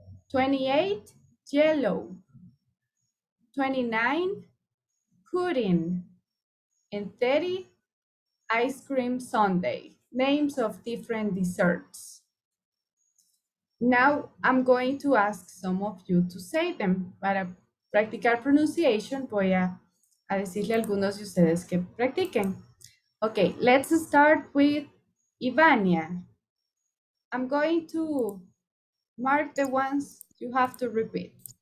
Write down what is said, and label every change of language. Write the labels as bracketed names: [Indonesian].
[English] 28, jello. 29, pudding. And 30, ice cream sundae. Names of different desserts. Now I'm going to ask some of you to say them. [Spanish] Para practicar pronunciation, voy a decirle a algunos de ustedes que practiquen. [English] Okay, let's start with Ivania. I'm going to mark the ones you have to repeat.